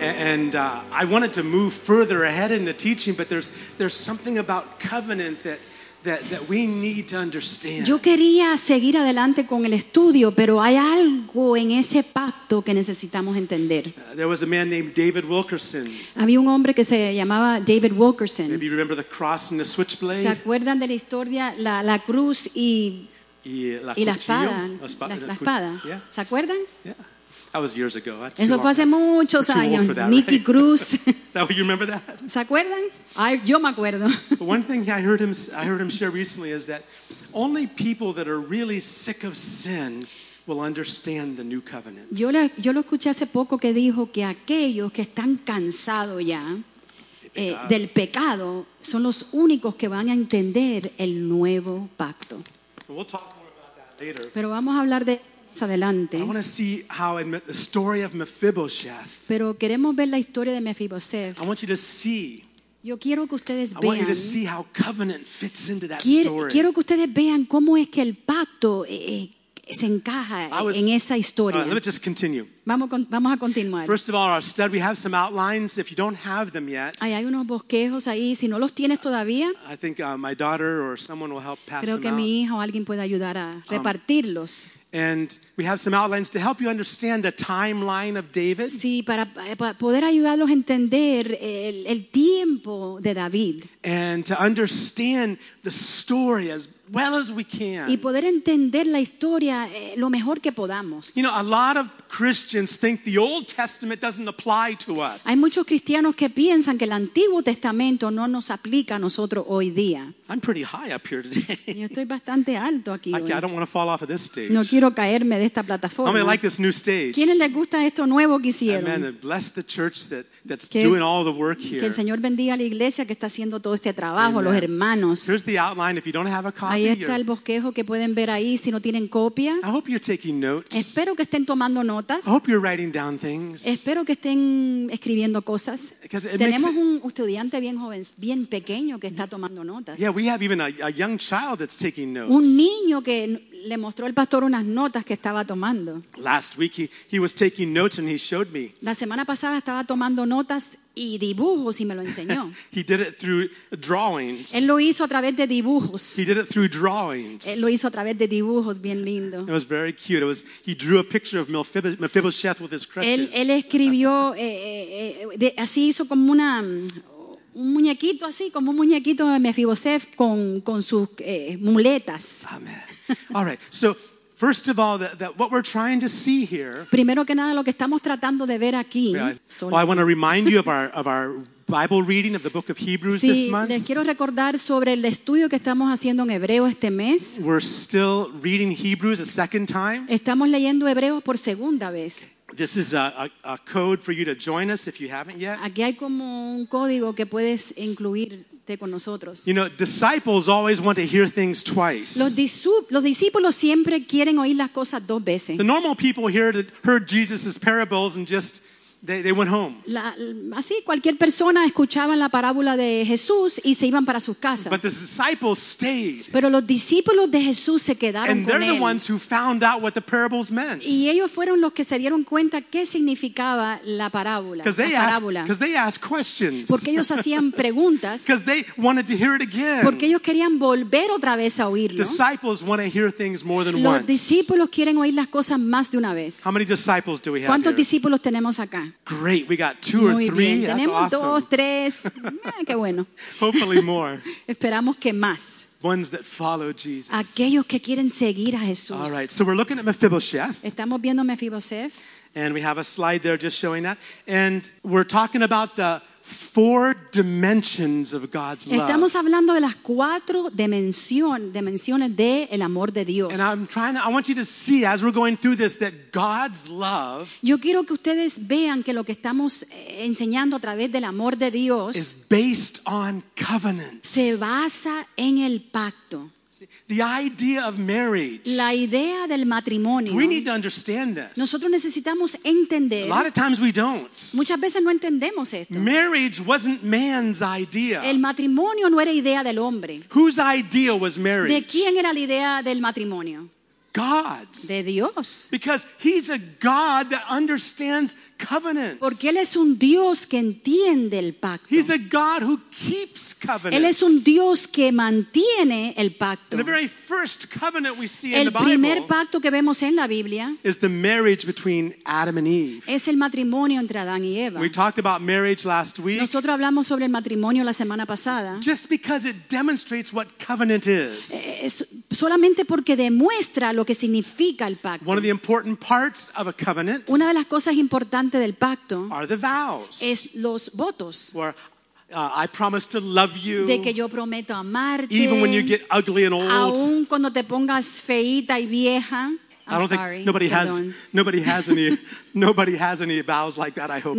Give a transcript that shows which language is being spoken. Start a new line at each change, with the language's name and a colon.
English: And I wanted to move further ahead in the teaching, but there's something about covenant that we need to understand.
Spanish: Yo quería seguir adelante con el estudio, pero hay algo en ese pacto que necesitamos entender.
English: There was a man named David Wilkerson.
Spanish: Había un hombre que se llamaba David Wilkerson.
English: Maybe you remember the cross and the switchblade.
Spanish: ¿Se acuerdan de la historia la cruz y la espada?
English: Yeah.
Spanish: ¿Se acuerdan?
English: Yeah. That was years ago. That's
Spanish: eso fue hace muchos años. Nicky
English: right?
Spanish: Cruz.
English: That, you remember that?
Spanish: ¿Se acuerdan? Yo me acuerdo.
English: But one thing I heard him share recently is that only people that are really sick of sin will understand the new covenant.
Spanish: Yo lo escuché hace poco que dijo que aquellos que están cansados ya del pecado son los únicos que van a entender el nuevo pacto.
English: We'll talk more about that later.
Spanish: Pero vamos a hablar de adelante.
English: I want to see how in the story of Mephibosheth.
Spanish: Pero queremos ver la historia de Mephibosheth.
English: I want you to see.
Spanish: Yo quiero que ustedes
English: I
Spanish: vean.
English: I want you to see how covenant fits into that story.
Spanish: Quiero que ustedes vean cómo es que el pacto se encaja en esa historia.
English: All right, let me just continue.
Spanish: Vamos a continuar.
English: First of all, our study, we have some outlines. If you don't have them yet,
Spanish: hay unos bosquejos ahí. Si no los tienes todavía,
English: I think my daughter or someone will help pass
Spanish: creo
English: them
Spanish: que
English: out.
Spanish: Mi hija o alguien puede ayudar a repartirlos.
English: And we have some outlines to help you understand the timeline of David.
Spanish: Sí, para poder ayudarlos a entender el tiempo de David.
English: And to understand the story as well as we can.
Spanish: Y poder entender la historia lo mejor que podamos.
English: You know, a lot of Christians think the Old Testament doesn't apply to us.
Spanish: Hay muchos cristianos que piensan que el Antiguo Testamento no nos aplica a nosotros hoy día.
English: I'm pretty high up here today.
Spanish: Yo estoy bastante alto aquí hoy.
English: I don't want to fall off of this stage.
Spanish: No quiero caerme de esta plataforma.
English: How many like this new stage?
Spanish: ¿Quiénes les gusta esto nuevo que hicieron?
English: Amen. And bless the church that's doing all the work here.
Spanish: Que el Señor bendiga a la iglesia que está haciendo todo este trabajo,
English: Amen.
Spanish: Los hermanos.
English: Here's the outline if you don't have a copy.
Spanish: Ahí está el bosquejo que pueden ver ahí si no tienen copia.
English: I hope you're taking notes.
Spanish: Espero que estén tomando notas.
English: I hope you're writing down things.
Spanish: Espero que estén escribiendo cosas. Tenemos un estudiante bien joven, bien pequeño que está tomando notas.
English: Yeah, we have even a young child that's taking notes.
Spanish: Un niño que le mostró el pastor unas notas que estaba tomando.
English: Last week he was taking notes and he showed me.
Spanish: La semana pasada estaba tomando notas y dibujos y me lo enseñó.
English: He did it through drawings.
Spanish: Él lo hizo a través de dibujos.
English: He did it through drawings.
Spanish: Él lo hizo a través de dibujos, bien lindo.
English: It was very cute. He drew a picture of Mephibosheth with his crutches.
Spanish: Él escribió así hizo como una un muñequito así, como un muñequito de Mephibosheth con sus muletas.
English: Amen. All right. So, first of all, that what we're trying to see here.
Spanish: Primero que nada, lo que estamos tratando de ver aquí.
English: I want to remind you of our Bible reading of the book of Hebrews
Spanish: sí,
English: this month.
Spanish: Les quiero recordar sobre el estudio que estamos haciendo en Hebreo este mes.
English: We're still reading Hebrews a second time.
Spanish: Estamos leyendo Hebreos por segunda vez.
English: This is a code for you to join us if you haven't yet.
Spanish: Aquí hay como un código que puedes incluirte con nosotros.
English: You know, disciples always want to hear things twice.
Spanish: Los discípulos siempre quieren oír las cosas dos veces.
English: The normal people heard Jesus' parables and just they went home.
Spanish: Así cualquier persona escuchaba la parábola de Jesús y se iban para sus casas.
English: But the disciples stayed.
Spanish: Pero los discípulos de Jesús se quedaron con él.
English: And they're the ones who found out what the parables meant.
Spanish: Y ellos fueron los que se dieron cuenta qué significaba la parábola.
English: Because they asked questions.
Spanish: Porque ellos hacían preguntas.
English: Because they wanted to hear it again.
Spanish: Porque ellos querían volver otra vez a oírlo.
English: Disciples want to hear things more than once.
Spanish: Los discípulos quieren oír las cosas más de una vez.
English: How many disciples do we have?
Spanish: ¿Cuántos discípulos tenemos acá?
English: Great, we got two
Spanish: Muy
English: or three.
Spanish: Bien.
English: That's
Spanish: Tenemos
English: awesome.
Spanish: Dos, tres. Qué bueno.
English: Hopefully more.
Spanish: Esperamos que más.
English: Ones that follow Jesus.
Spanish: Aquellos que quieren seguir a Jesús.
English: All right, so we're looking at Mephibosheth.
Spanish: Estamos viendo Mephibosheth.
English: And we have a slide there just showing that. And we're talking about the four dimensions of God's love.
Spanish: Estamos hablando de las cuatro dimensiones de el amor de Dios.
English: And I want you to see as we're going through this that God's love.
Spanish: Yo quiero que ustedes vean que lo que estamos enseñando a través del amor de Dios
English: is based on covenant.
Spanish: Se basa en el pacto.
English: The idea of marriage.
Spanish: La idea del matrimonio.
English: We need to understand this.
Spanish: Nosotros necesitamos entender.
English: A lot of times we don't.
Spanish: Muchas veces no entendemos esto.
English: Marriage wasn't man's idea.
Spanish: El matrimonio no era idea del hombre.
English: Whose idea was marriage?
Spanish: ¿De quién era la idea del matrimonio?
English: gods.
Spanish: De Dios.
English: Because he's a God that understands covenants.
Spanish: Porque él es un Dios que entiende el pacto.
English: He's a God who keeps covenants.
Spanish: Él es un Dios que mantiene el pacto.
English: And the very first covenant we see
Spanish: el
English: in the
Spanish: primer
English: Bible
Spanish: pacto que vemos en la Biblia
English: is the marriage between Adam and Eve.
Spanish: Es el matrimonio entre Adán y Eva.
English: We talked about marriage last week.
Spanish: Nosotros hablamos sobre el matrimonio la semana pasada.
English: Just because it demonstrates what covenant is.
Spanish: Solamente porque demuestra lo que significa el pacto.
English: One of the important parts of a covenant.
Spanish: Una de las cosas importantes del pacto.
English: Are the vows.
Spanish: Es los votos.
English: Where I promise to love you.
Spanish: De que yo prometo amarte.
English: Even when you get ugly and old.
Spanish: Aun cuando te pongas feita y vieja.
English: I don't think nobody has any vows like that, I hope.